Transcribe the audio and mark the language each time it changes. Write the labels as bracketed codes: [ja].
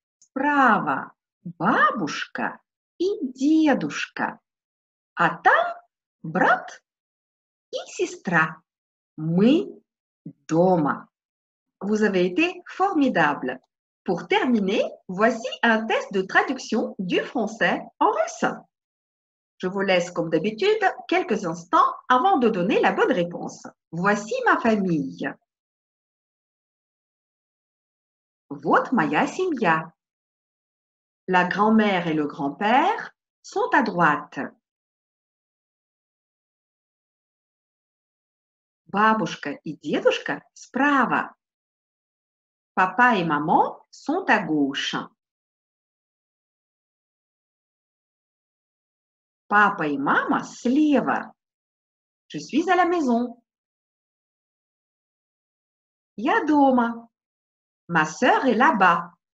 [ru] Справа бабушка и дедушка. А там брат и сестра. Мы дома. [fr] Vous avez été formidable. Pour terminer, voici un test de traduction du français en russe. Je vous laisse, comme d'habitude, quelques instants avant de donner la bonne réponse. Voici ma famille. [ru] Вот моя семья. [fr] La grand-mère et le grand-père sont à droite. [ru] Бабушка и дедушка справа. [fr] Papa et maman sont à gauche. Papa et maman [ru] слева. [fr] Je suis à la maison. [ru] Я дома. [fr] Ma sœur est là-bas.